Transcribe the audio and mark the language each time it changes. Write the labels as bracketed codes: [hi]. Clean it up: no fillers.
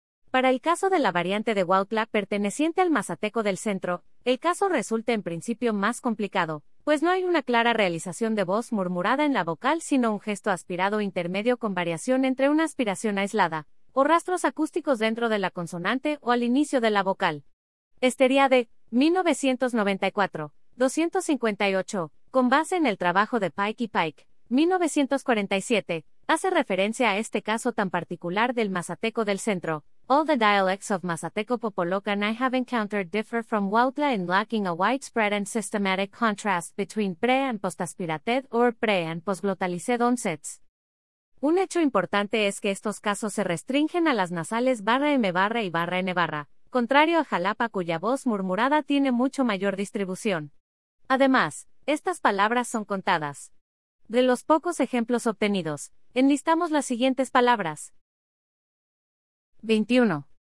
[es] Para el caso de la variante de Huautla perteneciente al mazateco del centro, el caso resulta en principio más complicado, pues no hay una clara realización de voz murmurada en la vocal sino un gesto aspirado intermedio con variación entre una aspiración aislada, o rastros acústicos dentro de la consonante o al inicio de la vocal. Esteriade, 1994, 258, con base en el trabajo de Pike y Pike, 1947, hace referencia a este caso tan particular del mazateco del centro. [en] All the dialects of Mazateco Popolocan I have encountered differ from Huautla in lacking a widespread and systematic contrast between pre- and postaspirated or pre- and postglotalized onsets. [es] Un hecho importante es que estos casos se restringen a las nasales barra M barra y barra N barra, contrario a Jalapa cuya voz murmurada tiene mucho mayor distribución. Además, estas palabras son contadas. De los pocos ejemplos obtenidos, enlistamos las siguientes palabras. 21.